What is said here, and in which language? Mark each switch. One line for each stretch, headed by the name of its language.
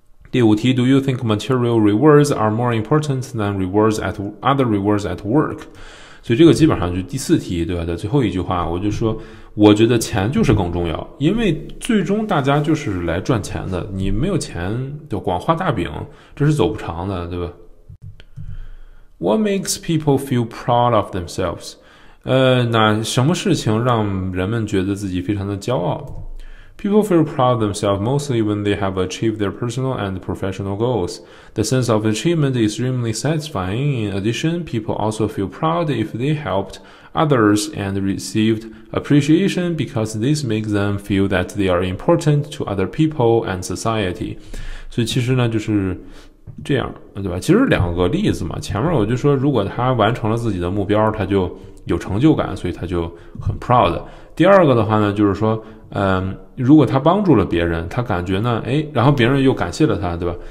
Chinese: 第五题
English: ，Do you think material rewards are more important than rewards at other rewards at work？
Chinese: 所以这个基本上就第四题，对吧？的最后一句话，我就说。我觉得钱就是更重要，因为最终大家就是来赚钱的，你没有钱就光画大饼，这是走不长的，对吧？
English: What makes people feel proud of themselves？
Chinese: 那什么事情让人们觉得自己非常的骄傲？
English: People feel proud of themselves mostly when they have achieved their personal and professional goals. The sense of achievement is extremely satisfying. In addition, people also feel proud if they helpedothers and received appreciation because this makes them feel that they are important to other people and society.
Chinese: 所以其实呢就是这样，对吧？其实两个例子嘛，前面我就说如果他完成了自己的目标，他就有成就感，所以他就很 proud。第二个的话呢就是说如果他帮助了别人，他感觉呢然后别人又感谢了他，对吧？